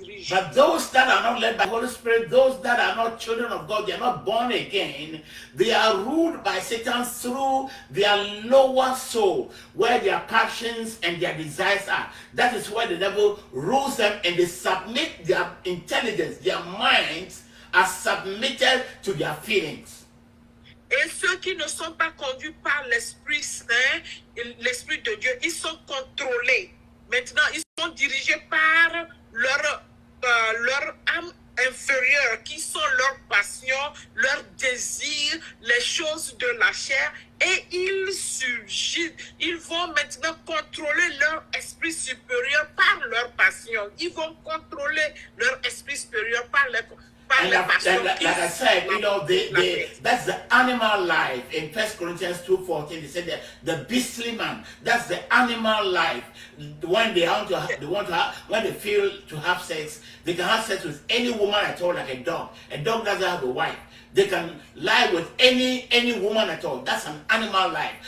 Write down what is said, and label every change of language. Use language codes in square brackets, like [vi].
[en] But those that are not led by the Holy Spirit, those that are not children of God, they are not born again, they are ruled by Satan through their lower soul, where their passions and their desires are. That is where the devil rules them, and they submit their intelligence, their minds are submitted to their feelings. [fr] Et ceux qui ne sont pas conduits par l'Esprit Saint, l'Esprit de Dieu, ils sont contrôlés. Maintenant, ils sont dirigés par leur âme inférieure, qui sont leurs passions, leurs désirs, les choses de la chair, et ils vont maintenant contrôler leur esprit supérieur par leurs passions. Ils vont contrôler leur esprit supérieur par leurs passions. [en] That's the animal life. In 1 Corinthians 2:14, they said that the beastly man, that's the animal life. When they feel to have sex, they can have sex with any woman at all, like a dog. A dog doesn't have a wife. They can lie with any woman at all. That's an animal life.